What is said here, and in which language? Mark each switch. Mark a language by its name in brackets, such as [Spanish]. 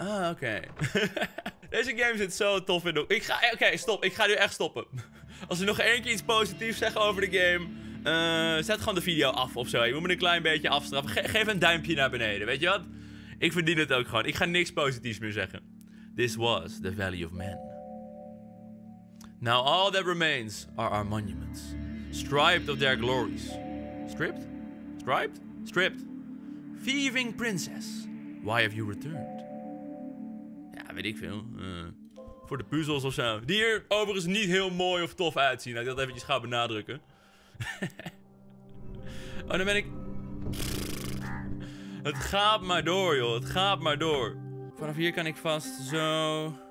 [Dutch] Oké. Deze game zit zo tof in. Oké, stop. Ik ga nu echt stoppen. Als we nog één keer iets positiefs zeggen over de game. Zet gewoon de video af of zo. Je moet me een klein beetje afstraffen. Geef een duimpje naar beneden. Weet je wat? Ik verdien het ook gewoon. Ik ga niks positiefs meer zeggen. [English] This was the Valley of Man. Now all that remains are our monuments, striped of their glories. Stripped? Striped? Stripped. Thieving princess, why have you returned? [Dutch] Ja, weet ik veel. Voor de puzzels of zo. Die hier overigens niet heel mooi of tof uitzien. Laat ik dat eventjes gaan benadrukken. Oh, dan ben ik... Het gaat maar door, joh. Het gaat maar door. Vanaf hier kan ik vast zo...